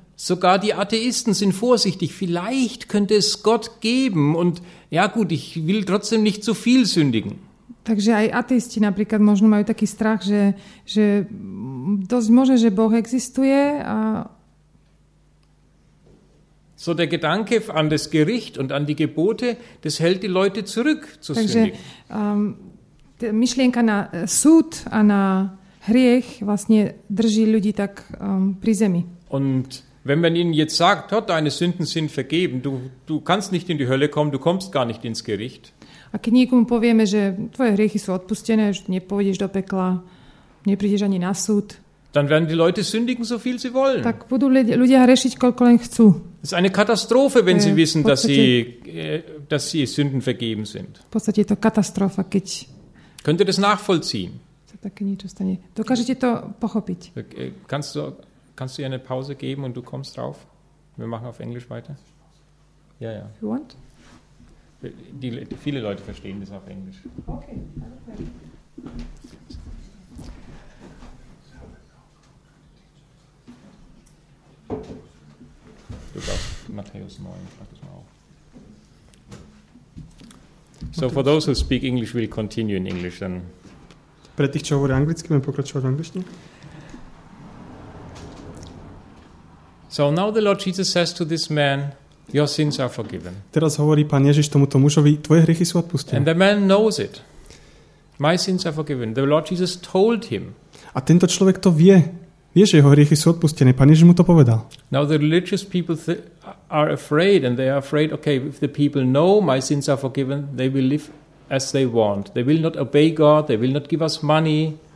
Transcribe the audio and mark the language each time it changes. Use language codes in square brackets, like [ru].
[de] Sogar die Atheisten sind vorsichtig. Vielleicht könnte es Gott geben. Und ja gut, ich will trotzdem nicht zu viel sündigen. [sk] Takže aj ateisti napríklad možno majú taký strach, že dosť možno, že Boh existuje. A... [de] So der Gedanke an das Gericht und an die Gebote, das hält die Leute zurück zu sündigen. [sk] Takže myšlienka na súd a na hriech vlastne drží ľudí tak pri zemi. [de] Und wenn man ihnen jetzt sagt, oh, deine Sünden sind vergeben, du kannst nicht in die Hölle kommen, du kommst gar nicht ins Gericht. [sk] A keď niekomu povieme, že tvoje hriechy sú odpustené, že nepôjdeš do pekla, neprídeš ani na súd. [de] Dann werden die Leute sündigen so viel sie wollen. [sk] Tak budú ľudia hriešiť koľko len chcú. [de] Es ist eine Katastrophe, wenn sie wissen, dass sie Sünden vergeben sind. [sk] V podstate je to katastrofa, keď [de] könnt ihr das nachvollziehen? [sk] Také niečo stane. Dokážete to pochopiť? [de] Kannst du eine Pause geben und du kommst drauf? Wir machen auf Englisch weiter. Ja, ja. [en] You want? [de] Die viele Leute verstehen das auf Englisch. Okay. Du brauchst Matthäus 9, mach das mal auf. [en] So, for those who speak English, we'll continue in English then. [sk] Pre tých, čo hovorí anglicky, budem pokračovať v angličtine. [en] So now the Lord Jesus says to this man, your sins are forgiven. [sk] Teraz hovorí Pán Ježiš tomuto mužovi, tvoje hriechy sú odpustené. [en] And the man knows it. My sins are forgiven. The Lord Jesus told him. [sk] A tento človek to vie. Vie, že jeho hriechy sú odpustené. Pán Ježiš mu to povedal. [en] Now the religious people are afraid and they are afraid, okay, if the people know my sins are forgiven, they will live as they want. They will not obey God, they will not give us money.